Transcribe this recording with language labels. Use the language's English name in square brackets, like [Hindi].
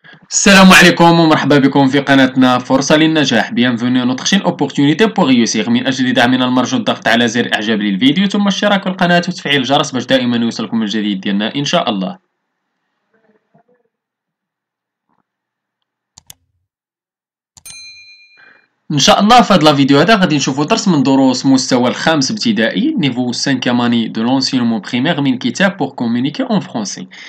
[Arabic] السلام عليكم ومرحبا بكم في قناتنا فرصة للنجاح. [French] bienvenue à notre chaîne opportunité pour réussir. [Arabic] من اجل دعمنا المرجو الضغط على زر اعجاب للفيديو ثم الاشتراك في القناة وتفعيل الجرس باش دائما يوصلكم الجديد ديالنا ان شاء الله. ان شاء الله في هذا الفيديو هذا غادي نشوفوا درس من دروس مستوى الخامس ابتدائي [French] نيفو 5 اني دو لونسيونمون بريمير [Arabic] من كتاب بور كومونيكي اون فرونسي.